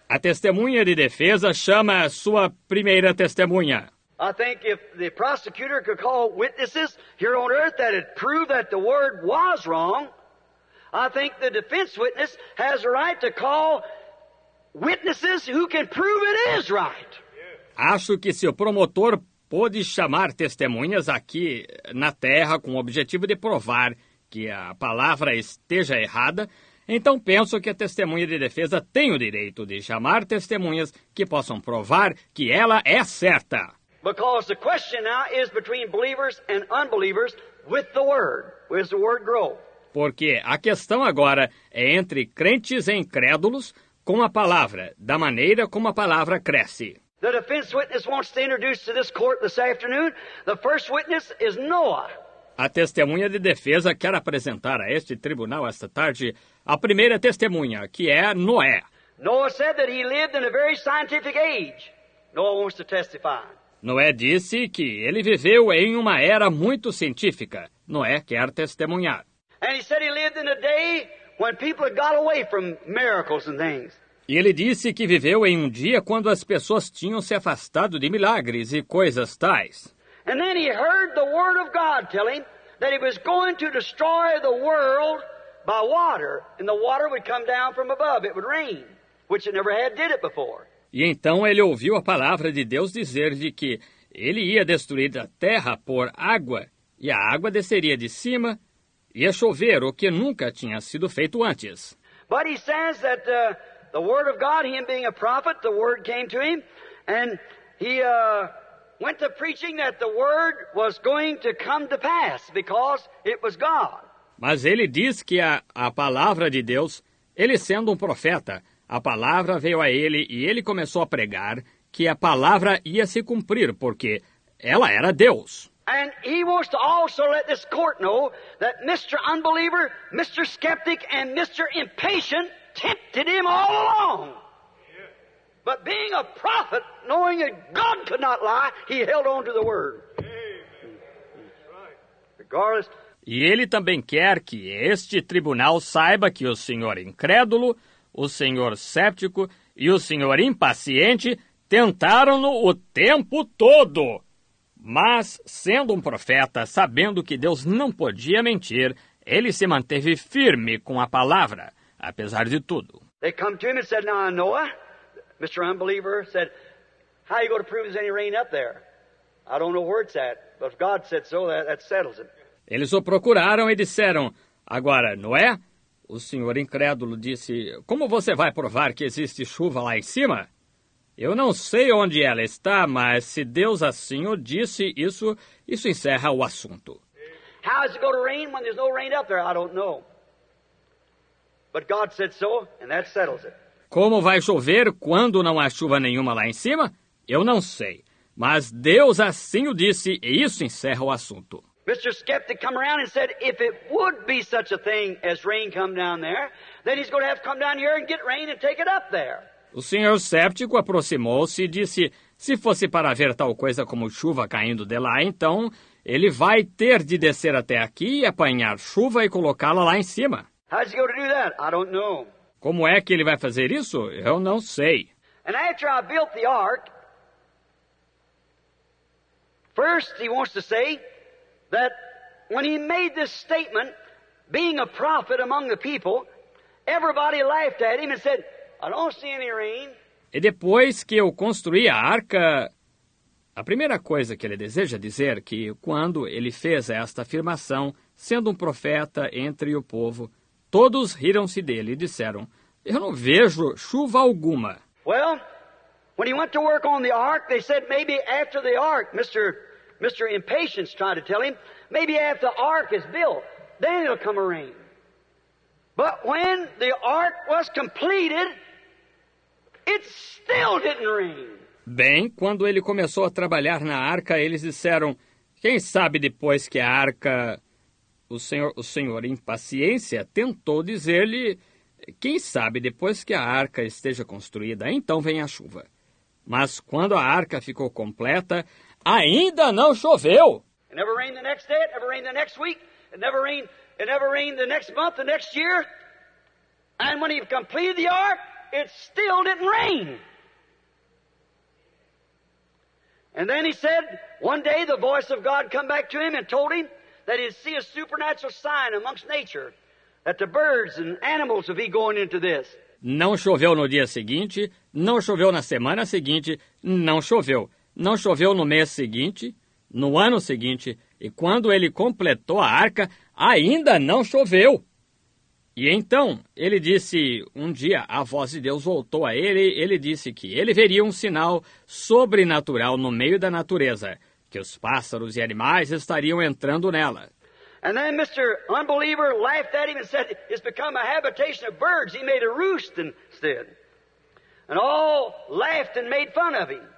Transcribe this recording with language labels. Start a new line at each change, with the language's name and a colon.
Portuguese: A testemunha de defesa chama a sua primeira testemunha.
English: I think if the prosecutor could call witnesses here on earth that had proved that the word was wrong, I think the defense witness has a right to call witnesses who can prove it is right.
Portuguese: Acho que se o promotor pôde chamar testemunhas aqui na terra com o objetivo de provar que a palavra esteja errada, então penso que a testemunha de defesa tem o direito de chamar testemunhas que possam provar que ela é certa.
English: Because the question now is between believers and unbelievers with the word. Where's the word grow?
Portuguese: Porque a questão agora é entre crentes e incrédulos com a palavra, da maneira como a palavra cresce.
English: The defense witness wants to introduce to this court this afternoon. The first witness is Noah.
Portuguese: A testemunha de defesa quer apresentar a este tribunal esta tarde a primeira testemunha, que é Noé.
English: Noah said that he lived in a very scientific age. Noah wants to testify.
Portuguese: Noé disse que ele viveu em uma era muito científica. Noé quer testemunhar.
English: And he said he lived in a day when people got away from miracles and things.
Portuguese: E ele disse que viveu em um dia quando as pessoas tinham se afastado de milagres e coisas tais.
English: And then he heard the word of God telling that he was going to destroy the world by water, and the water would come down from above. It would rain, which it never had did it before.
Portuguese: E então ele ouviu a palavra de Deus dizer-lhe que ele ia destruir a terra por água, e a água desceria de cima, ia chover, o que nunca tinha sido feito antes.
English: But he says that the word of God, him being a prophet, the word came to him, and he went to preaching that the word was going to come to pass, because it was God.
Portuguese: Mas ele diz que a palavra de Deus, ele sendo um profeta, a palavra veio a ele e ele começou a pregar que a palavra ia se cumprir, porque ela era Deus.
English: And he wants to also let this court know that Mr. Unbeliever, Mr. Skeptic, and Mr. Impatient tempted him all along. But being a prophet, knowing that God could not lie, he held on to the word. Regardless.
Portuguese: E ele também quer que este tribunal saiba que o senhor incrédulo, o senhor cético e o senhor impaciente tentaram-no o tempo todo. Mas, sendo um profeta, sabendo que Deus não podia mentir, ele se manteve firme com a palavra, apesar de tudo.
English: They come to him and said, "Now, Noah, Mr. Unbeliever said, how are you going to prove there's any rain up there? I don't know where it's at, but if God said so, that settles it."
Portuguese: Eles o procuraram e disseram, agora, Noé, o senhor incrédulo disse, como você vai provar que existe chuva lá em cima? Eu não sei onde ela está, mas se Deus assim o disse, isso encerra o assunto.
English: How is it going to rain when there's no rain up there? I don't know. But God said so, and that settles it.
Portuguese: Como vai chover quando não há chuva nenhuma lá em cima? Eu não sei, mas Deus assim o disse e isso encerra o assunto.
English: Mr. Skeptic come around and said, if it would be such a thing as rain come down there, then he's going to have to come down here and get rain and take it up there.
Portuguese: O senhor cético aproximou-se e disse, se fosse para haver tal coisa como chuva caindo de lá, então ele vai ter de descer até aqui e apanhar chuva e colocá-la lá em cima.
English: How's he going to do that? I don't know.
Portuguese: Como é que ele vai fazer isso? Eu não sei.
English: And after I built the ark, First, he wants to say that when he made this statement, being a prophet among the people, everybody laughed at him and said, I don't see any rain.
Portuguese: E depois que eu construí a arca, a primeira coisa que ele deseja dizer é que quando ele fez esta afirmação, sendo um profeta entre o povo, todos riram-se dele e disseram, eu não vejo chuva alguma.
English: Well, when he went to work on the ark, they said maybe after the ark, Mr. Impatience tried to tell him, maybe after the ark is built, then it'll come a rain. But when the ark was completed, it still didn't rain.
Portuguese: Bem, quando ele começou a trabalhar na arca, eles disseram, quem sabe depois que a arca, o senhor em paciência, tentou dizer-lhe, quem sabe depois que a arca esteja construída, então vem a chuva. Mas quando a arca ficou completa, ainda não choveu.
English: It never rained the next day, it never rained the next week, it never rained the next month, the next year. And when he completed the ark, it still didn't rain. And then he said, one day the voice of God come back to him and told him that he'd see a supernatural sign amongst nature, that the birds and animals would be going into this.
Portuguese: Não choveu no dia seguinte, não choveu na semana seguinte, não choveu. Não choveu no mês seguinte, no ano seguinte, e quando ele completou a arca, ainda não choveu. E então, ele disse, um dia a voz de Deus voltou a ele, ele disse que ele veria um sinal sobrenatural no meio da natureza, que os pássaros e animais estariam entrando nela.
English: And then Mr. Unbeliever laughed at him and said, it's become a habitation of birds. He made a roost instead. And all laughed and made fun of him.